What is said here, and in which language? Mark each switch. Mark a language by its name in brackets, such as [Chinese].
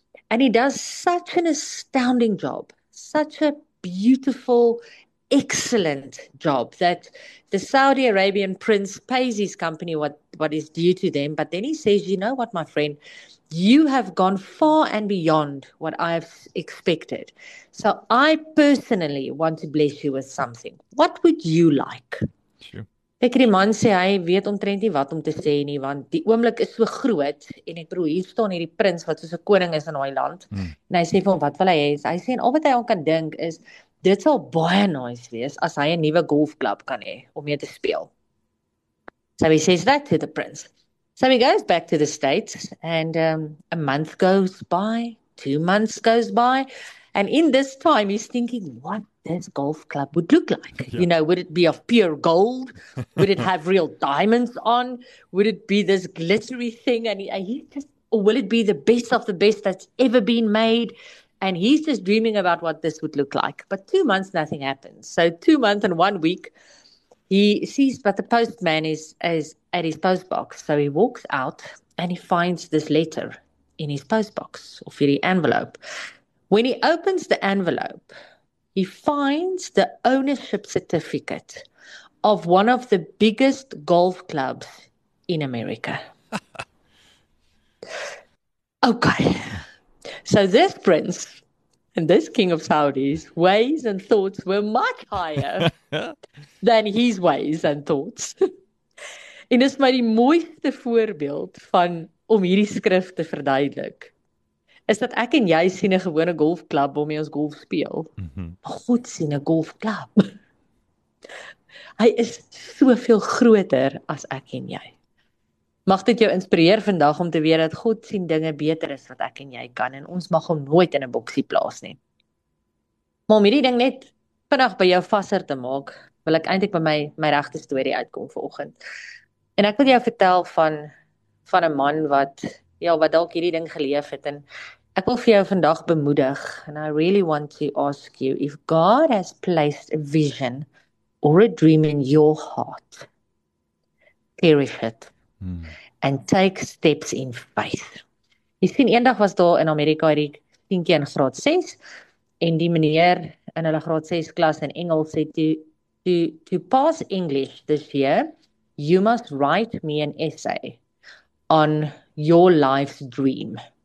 [English] And he does such an astounding job, such a beautiful, excellent job that the Saudi Arabian prince pays his company what is due to them. But then he says, you know what, my friend? You have gone far and beyond what I've expected. So I personally want to bless you with something. What would you like? Sure. [Afrikaans] Ek die man sê, hy weet omtrent nie wat om te sê nie, want die oomblik is so groot, en ek bedoel, hier staan hierdie prins, wat soos 'n koning is in hy land, en hy sê vir hom, wat wil hy hê? Hy sê, en al wat hy aan kan dink is, dit sal baie nice wees, as hy 'n nuwe golfklub kan hê, om mee te speel. [English] So he says that to the prince. So he goes back to the States and a month goes by, 2 months goes by. And in this time, he's thinking what this golf club would look like. Yeah. You know, would it be of pure gold? Would it have real diamonds on? Would it be this glittery thing? And or will it be the best of the best that's ever been made? And he's just dreaming about what this would look like. But 2 months, nothing happens. So 2 months and 1 week, he sees that the postman is at his postbox. So he walks out and he finds this letter in his postbox or for the envelope. When he opens the envelope, he finds the ownership certificate of one of the biggest golf clubs in America. Okay. So this prince and this king of Saudi's ways and thoughts were much higher than his ways and thoughts. [Afrikaans] En is my die mooiste voorbeeld van om hierdie skrif te verduidelik, is dat ek en jy sien 'n gewone golfklub waarmee ons golf speel. Maar God sien 'n golfklub. Hy is soveel groter as ek en jy. Mag dit jou inspireer vandag om te weet dat God sien dinge beter as wat ek en jy kan en ons mag hom nooit in 'n boksie plaas nie. Maar om hierdie ding net vinnig by jou vasser te maak, wil ek eintlik by my regte storie uitkom vanoggend. En ek wil jou vertel van 'n man wat dalk hierdie ding geleef het. En ek wil vir jou vandag bemoedig. [English] And I really want to ask you, if God has placed a vision or a dream in your heart, cherish it and take steps in faith. [Afrikaans] Jy sien, eendag was daar in Amerika hierdie tientjie in graad 6 en die meneer in hulle graad 6 klas in Engels het [English] to pass English this year, you must write me an essay on your life's dream.